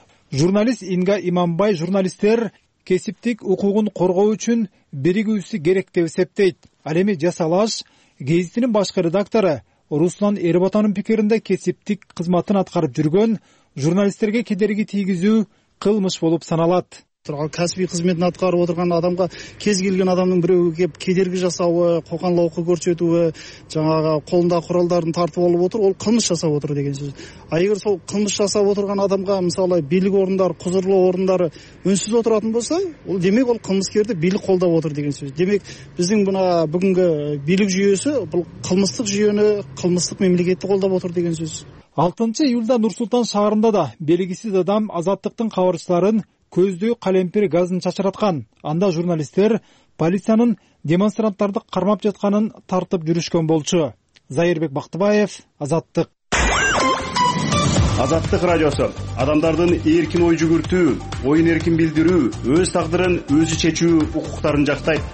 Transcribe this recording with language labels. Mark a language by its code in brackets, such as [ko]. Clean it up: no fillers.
[ky] Журналист Инга Иманбай журналисттер кесиптик укугун коргоо үчүн биригүүсү керек деп эсептейт. Ал эми Жасалаш гезитинин башкы редактору Руслан Эрбатанын пикиринде кесиптик кызматын аткарып жүргөн журналисттерге кедерги тийгизүү кылмыш болуп саналат. [kk] Ал кәсіби қызметін атқарып отырған адамға кез келген адамның біреуі кеп кедергі жасауы, қоқан-лауқы көрсетуі, жаңағы қолында құралдарын тартып алып отыр, ол қылмыс жасап отыр деген сөз. А егер сол қылмыс жасап отырған адамға мысалы билік орындары, құзырлы орындары үнсіз отыратын болса, ол демек ол қылмыскерді билік қолдап отыр деген сөз. Демек біздің мына бүгінгі билік жүйесі бұл қылмыстық жүйені, қылмыстық мемлекетті қолдап отыр деген сөз. [ky] 6 июльда Нұр-Сұлтан шаһарында да белгісіз адам азаттықтың қауырсыларын көздөй калемпир газын чачыраткан. Анда журналисттер полициянын демонстранттарды кармап жатканын тартып жүрүшкөн болчу. Зайырбек Бактыбаев, Азаттык. Азаттык радиосу. Адамдардын эркин ой жүгүртүү, оюн эркин билдирүү, өз тагдырын өзү чечүү укуктарын жактайт.